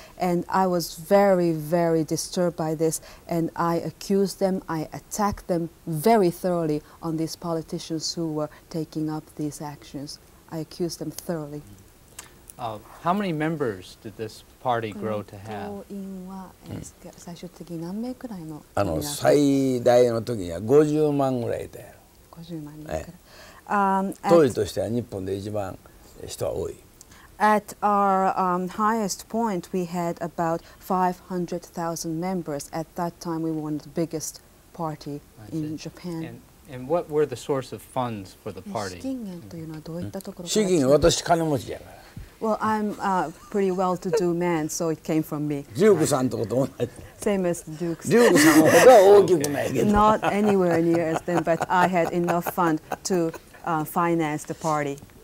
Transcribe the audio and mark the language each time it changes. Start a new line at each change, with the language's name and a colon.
English: And I was very, very disturbed by this, and I accused them, I attacked them very thoroughly on these politicians who were taking up these actions. I accused them thoroughly. How many members did this party grow to have?
Japanese: 党員は最終的に何名くらいの？最大の時には50万ぐらいだよ。 50万人くらい。当時としては日本で一番人は多い。
English: At our highest point, we had about 500,000 members. At that time, we were the biggest party in Japan. And what were the source of funds for the party?
Japanese: 資金源というのはどういったところ？資金、私金持ちやから。
English: Well, I'm a pretty well-to-do man, so it came from me.
Japanese: デュークさんとこと同じ。
English: Same as the Dukes.
Japanese: Dukes さんは大きくないけど。
English: Not anywhere near as them, but I had enough fund to finance the party.